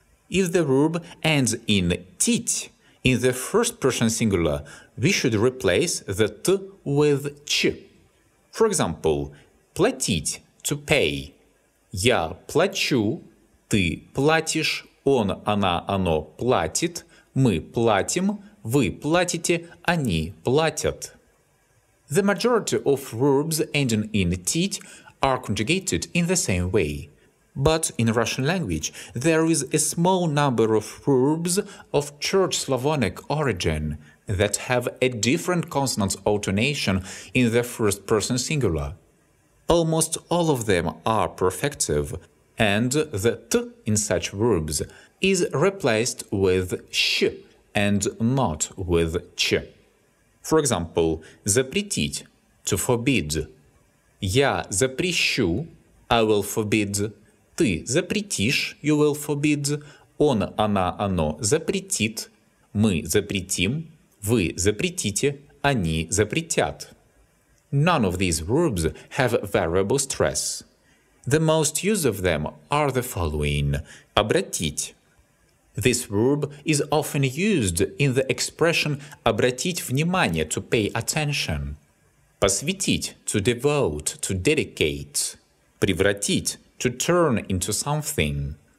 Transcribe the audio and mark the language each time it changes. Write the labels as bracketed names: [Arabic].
[English] If the verb ends in тить, in the first person singular, we should replace the т with ч. For example, платить, to pay. [Russian] Я плачу, ты платишь, он, она, оно платит, мы платим, вы платите, они платят. [English] The majority of verbs ending in -ed are conjugated in the same way. But in Russian language, there is a small number of verbs of Church Slavonic origin that have a different consonant alternation in the first person singular. Almost all of them are perfective, and the t in such verbs is replaced with sh and not with ch. For example, запретить, to forbid. [Russian] Я запрещу, [English] I will forbid. [Russian] Ты запретишь, [English] you will forbid. [Russian] Он, она, оно запретит. Мы запретим, вы запретите, они запретят. [English] None of these verbs have variable stress. The most used of them are the following. Обратить. This verb is often used in the expression [Russian] обратить внимание, [English] to pay attention. Посвятить, to devote, to dedicate. Превратить, to turn into something.